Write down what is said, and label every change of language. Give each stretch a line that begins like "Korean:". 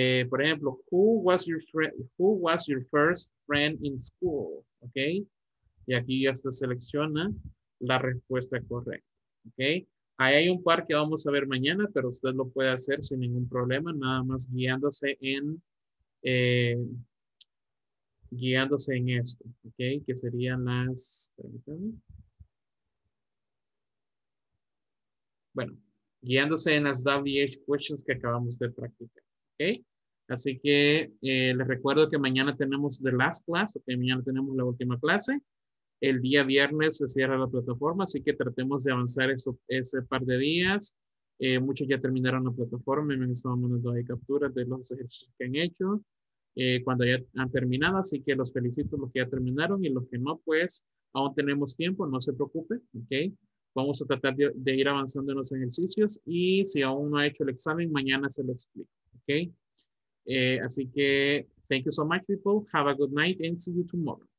Spanish: Por ejemplo,
English: who was your first friend in school? Okay.
Spanish: Y aquí ya usted selecciona la respuesta correcta. Ok, ahí hay un par que vamos a ver mañana, pero usted lo puede hacer sin ningún problema, nada más guiándose en esto, ok, que serían las, permítanme. Bueno, guiándose en las WH questions que acabamos de practicar, ok, así que les recuerdo que mañana tenemos
English: the last class,
Spanish: ok, mañana tenemos la última clase. El día viernes se cierra la plataforma, así que tratemos de avanzar ese par de días. Muchos ya terminaron la plataforma, me han estado mandando ahí capturas de los ejercicios que han hecho. Cuando ya han terminado, así que los felicito los que ya terminaron y los que no, pues aún tenemos tiempo, no se preocupe. Okay. Vamos a tratar de ir avanzando en los ejercicios y si aún no ha hecho el examen, mañana se lo explico. Okay. Así que,
English: thank you so much people, have a good night and see you tomorrow.